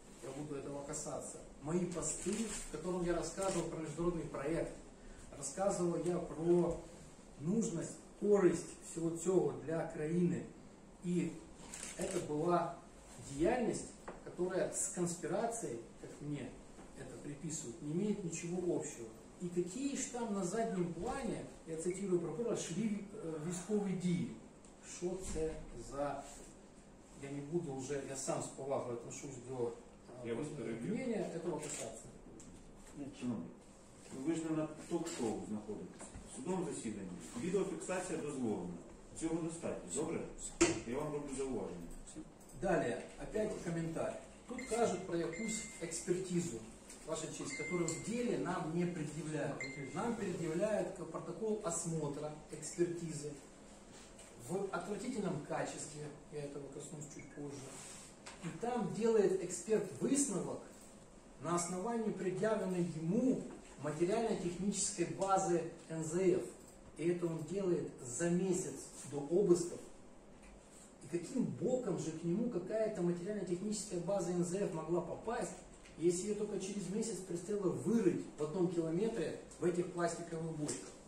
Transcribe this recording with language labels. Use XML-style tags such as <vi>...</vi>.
<ru>Я буду этого касаться. Мои посты, в котором я рассказывал про международный проект, рассказывал я про нужность, користь всего этого для Украины и это была деятельность, которая с конспирацией, как мне это приписывают, не имеет ничего общего. И какие же там на заднем плане, я цитирую прокурора, шли</ru> <uk>військові дії.</uk> <ru>Что это за... Я не буду уже, я сам с повагой отношусь до мнения этого касаться.</ru> <uk>Ви ж не на ток-шоу знаходитесь. В судовому засіданні. Відеофіксація дозволена. Цього достатньо. Добре? Я вам роблю зауваження. Далі. Опять коментар. Тут кажуть про якусь експертизу, ваша честь, яку в ділі нам не пред'являють. Нам пред'являють протокол осмотра, експертизи.</uk> <ru>В отвратительном качестве, я этого коснусь чуть позже. И там делает эксперт высновок на основании предъявленной ему материально-технической базы НЗФ. И это он делает за месяц до обысков. И каким боком же к нему какая-то материально-техническая база НЗФ могла попасть, если ее только через месяц предстояло вырыть в 1 километре в этих пластиковых бочках?</ru>